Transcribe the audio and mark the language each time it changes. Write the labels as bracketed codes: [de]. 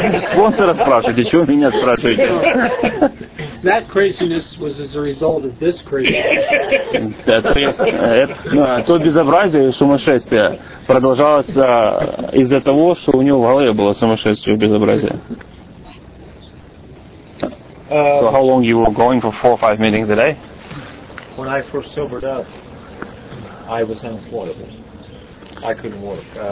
[ru] Спонсора спрашивайте, чего меня спрашиваете? [en] That craziness was as a result of this craziness. [ru] То безобразие, сумасшествие продолжалось из-за того, что у него в голове было сумасшествие и безобразие. [en] So how long you were going for 4 or 5 meetings a day? When I first sobered up, I was unemployable. I couldn't work.